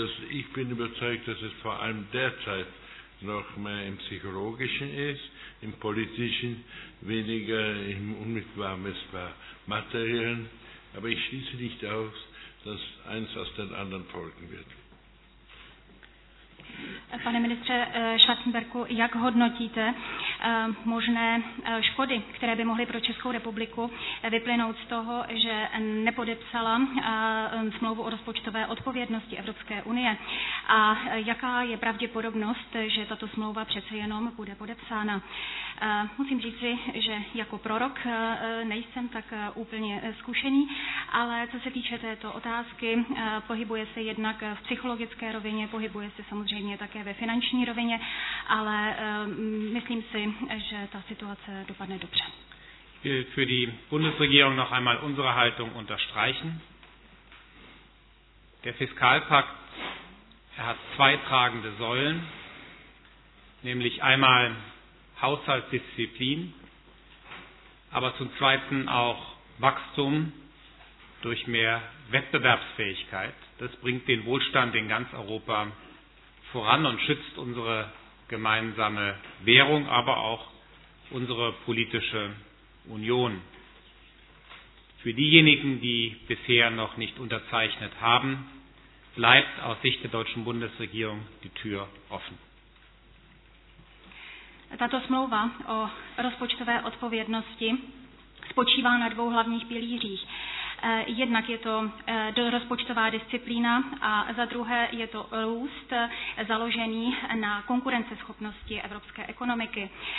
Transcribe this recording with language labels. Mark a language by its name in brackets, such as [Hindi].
[German] Ich bin überzeugt, dass es vor allem derzeit noch mehr im Psychologischen ist, im Politischen, weniger im unmittelbar messbar Materiellen. Aber ich schließe nicht aus, dass eins aus den anderen folgen wird. [Czech] Pane ministře Schwarzenbergu, jak hodnotíte možné škody, které by mohly pro Českou republiku vyplynout z toho, že nepodepsala smlouvu o rozpočtové odpovědnosti Evropské unie? A jaká je pravděpodobnost, že tato smlouva přece jenom bude podepsána? Musím říci, že jako prorok nejsem tak úplně zkušený, ale co se týče této otázky, pohybuje se jednak v psychologické rovině, pohybuje se samozřejmě také ve finanční rovině, ale myslím si, že ta situace dopadne dobře. [German] Für die Bundesregierung noch einmal unsere Haltung unterstreichen. Der Fiskalpakt, er hat zwei tragende Säulen, nämlich einmal Haushaltsdisziplin, aber zum Zweiten auch Wachstum durch mehr Wettbewerbsfähigkeit. Das bringt den Wohlstand in ganz Europa voran und schützt unsere gemeinsame Währung, aber auch unsere politische Union. Für diejenigen, die bisher noch nicht unterzeichnet haben, bleibt aus Sicht der deutschen Bundesregierung die Tür offen. [Czech] Tato smlouva o rozpočtové odpovědnosti spočívá na dvou hlavních pilířích. Jednak je to rozpočtová disciplína a za druhé je to růst založený na konkurenceschopnosti evropské ekonomiky.